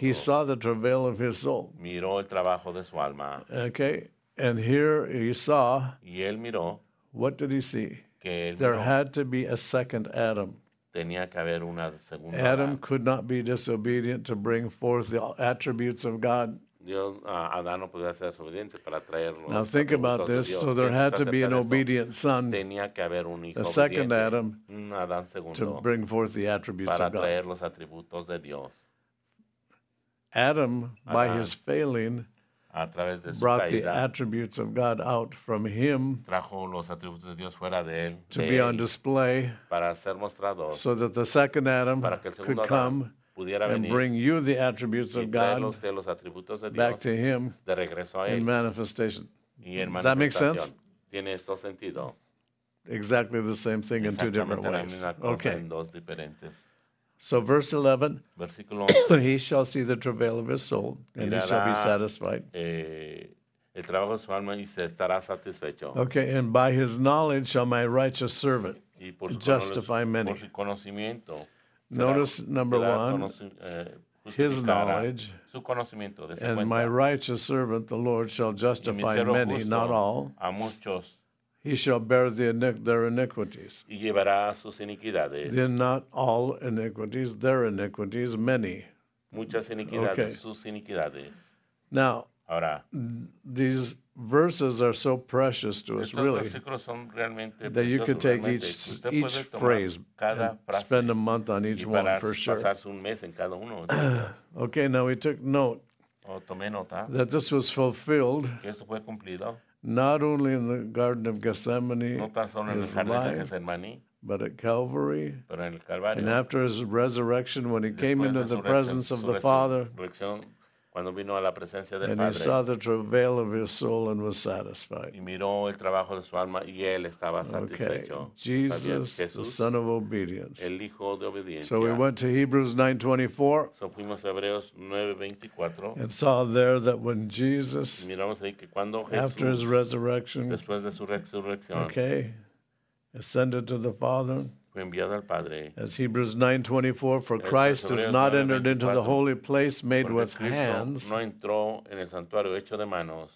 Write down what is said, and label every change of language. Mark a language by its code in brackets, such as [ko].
[en] He saw the travail of his soul. [es] Miró el trabajo de su alma. [en] Okay. And here he saw, [es] y él miró, [en] what did he see? [es] Que él [en] there [es] miró, [en] had to be a second Adam. [es] Tenía que haber una segunda [en] Adam could not be disobedient to bring forth the attributes of God. [es] Dios, Adán no podía ser desobediente para traerlo. [en] Now think about this. So there had to be an obedient son. [es] Tenía que haber un hijo [en] a second [es] obediente, [en] Adam, [es] Adán segundo, [en] to bring forth the attributes [es] para [en] of God. [es] Traer los atributos de Dios. [en] Adam, by his failing, [es] a través de su [en] brought [es] caída, [en] the attributes of God out from him [es] trajo los atributos de Dios fuera de él, [en] to [es] de [en] be on display [es] para ser mostrado, [en] so that the second Adam [es] para que el segundo [en] could Adam come [es] pudiera [en] and [es] venir [en] bring you the attributes [es] y [en] of God [es] de los atributos de Dios [en] back to him [es] de regreso a él, [en] in manifestation. [es] Y en [en] that makes sense? [es] ¿Tiene esto sentido? [en] Exactly the same thing in two different ways. Okay. [es] En dos diferentes. [en] So verse 11, [es] versículo 11, [en] he shall see the travail of his soul, and he shall be satisfied. [es] El trabajo de su alma y se estará satisfecho. [en] Okay, and by his knowledge shall my righteous servant [es] y por su [en] justify many. [es] Por su conocimiento, [en] notice será, number será one, his knowledge, [es] su conocimiento, de [en] and [es] cuenta, [en] my righteous servant, the Lord, shall justify [es] y mi [en] many, [es] justo, [en] not all. [es] A muchos. [en] He shall bear their iniquities. [es] Y llevará sus iniquidades. [en] Then not all iniquities, their iniquities, many. [es] Muchas iniquidades, [en] okay. [es] Sus iniquidades. [en] Now, [es] ahora, [en] these verses are so precious to [es] estos [en] us, really, [es] versículos son realmente [en] that you could take [es] realmente [en] each phrase [es] cada [en] and spend a month on each [es] y para [en] one, for sure. [es] Pasarse un mes en cada uno. [en] Okay, now we took note [es] tomé nota [en] that this was fulfilled. [es] Que esto fue cumplido. [en] Not only in the Garden of Gethsemane, [es] no tan solo en [en] his [es] el [en] life, [es] de Gethsemane, [en] but at Calvary, [es] pero en el Calvario, [en] and after his resurrection, when he came into the presence of the Father, [es] cuando vino a la presencia del [en] and [es] Padre, [en] he saw the travail of his soul and was satisfied. [es] Y miró el trabajo de su alma y él estaba satisfecho. [en] Okay. Jesus, Jesús, the Son of Obedience. [es] El hijo de obediencia. [en] So we went to Hebrews 9:24. [es] So fuimos a Hebreos 9:24. [en] And saw there that when Jesus, [es] miramos ahí que cuando Jesús, [en] after his resurrection, [es] después de su resurrección, [en] okay, ascended to the Father, as Hebrews 9:24, for Christ has not entered into the holy place made with hands, [es] no entró en el santuario hecho de manos,